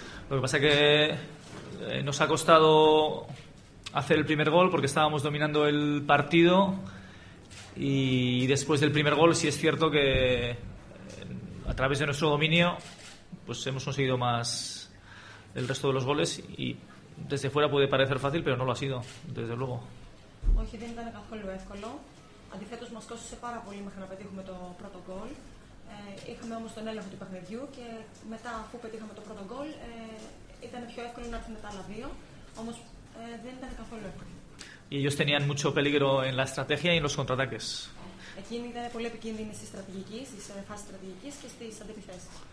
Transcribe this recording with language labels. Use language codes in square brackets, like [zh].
[es] Lo que pasa es que nos ha costado hacer el primer gol porque estábamos dominando el partido. Y después del primer gol sí es cierto que a través de nuestro dominio pues hemos conseguido más el resto de los goles. Y desde fuera puede parecer fácil, pero no lo ha sido, desde luego. [el] Όχι, δεν ήταν καθόλου εύκολο. Αντιθέτως, μας κόστησε πάρα πολύ μέχρι να πετύχουμε το πρώτο γκολ. Είχαμε όμως τον έλεγχο του παιχνιδιού και μετά, αφού πετύχαμε το πρώτο γκολ, ήταν πιο εύκολο να έρθουν τα άλλα δύο. Όμως δεν ήταν καθόλου εύκολο. [es] Ellos tenían mucho peligro en la estrategia y en los contraataques. [el] Εκείνοι ήταν πολύ επικίνδυνοι στη στρατηγική, στη φάση στρατηγική και στι αντιπιθέσει.